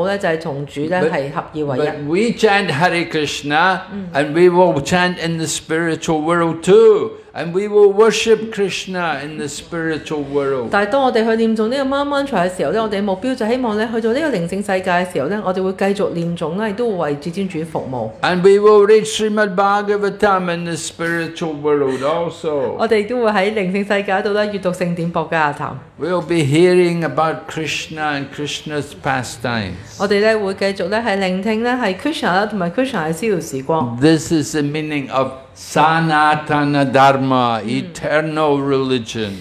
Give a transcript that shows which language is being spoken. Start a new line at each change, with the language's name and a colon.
English: But we chant Hare Krishna and we will chant in the spiritual world too and we will worship Krishna in the spiritual world
Chinese: 但當我們去唸誦這個Mahamantra的時候 我們的目標就是希望去到這個靈性世界的時候我們會繼續唸誦也會為主尊主服務
English: And we will read Srimad Bhagavatam in the spiritual world also
Chinese: 在靈性世界閱讀聖典博加亞談
English: We'll be hearing about Krishna and Krishna's pastimes
Chinese: 我們會繼續聆聽Krishna和Krishna的逍遙時光
English: This is the meaning of Sanatana Dharma, eternal religion